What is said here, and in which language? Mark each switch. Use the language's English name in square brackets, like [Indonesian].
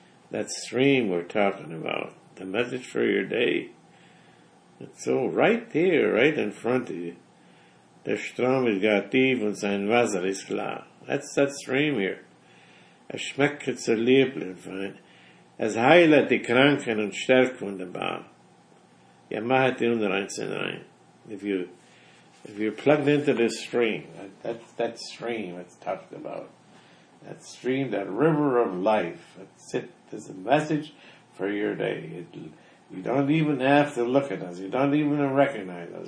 [English] That stream we're talking about. The message for your day. It's so right there, right in front of you. [German] Der Strom ist gar tief und sein Wasser ist klar. [English] That's that stream here. [German] Es schmeckt so lieblich, fein. Es heilet die Kranken und stärkt wunderbar. Ja, macht die Unreinsten rein. [English] If you're plugged into this stream, that stream it's talked about. That stream, that river of life. That's it. There's a message for your day. You don't even have to look at us. You don't even recognize us.